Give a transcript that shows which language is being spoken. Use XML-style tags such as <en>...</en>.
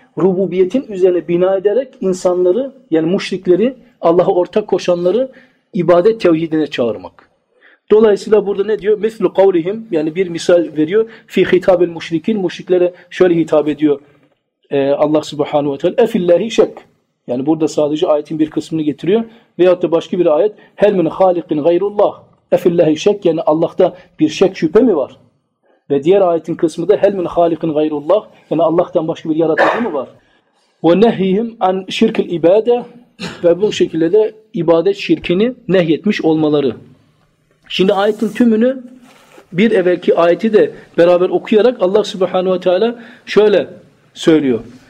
<tr>Rububiyetin üzerine bina ederek insanları, yani müşrikleri, Allah'a ortak koşanları ibadet tevhidine çağırmak. Dolayısıyla burada ne diyor?</tr> <ar>مِثْلُ قَوْلِهِمْ</ar> <tr>Yani bir misal veriyor.</tr> <ar>فِي خِتَابِ الْمُشْرِكِينَ</ar> <tr>Müşriklere şöyle hitap ediyor Allah Subhanahu ve Teala.</tr> <ar>اَفِ اللّٰهِ شَكْ</ar> <tr>Yani burada sadece ayetin bir kısmını getiriyor. Veyahut da başka bir ayet.</tr> <ar>هَلْ مِنْ خَالِقٍ غَيْرُ اللّٰهِ اَفِ اللّٰهِ شَكْ</ar> <tr>Yani Allah'ta bir şek şüphe mi var? Ve diğer ayetin kısmı da</tr> <ar>هَلْ مِنْ خَالِقٍ غَيْرُ اللّٰهِ</ar> <tr>Yani Allah'tan başka bir yaratıcı mı var?</tr> <ar>وَنَهِيهِمْ عَنْ شِرْكِ الْاِبَادَةِ</ar> <tr>Ve bu şekilde de ibadet şirkini nehyetmiş olmaları. Şimdi ayetin tümünü bir evvelki ayeti de beraber okuyarak Allah Subhanahu ve Teala şöyle söylüyor.</tr>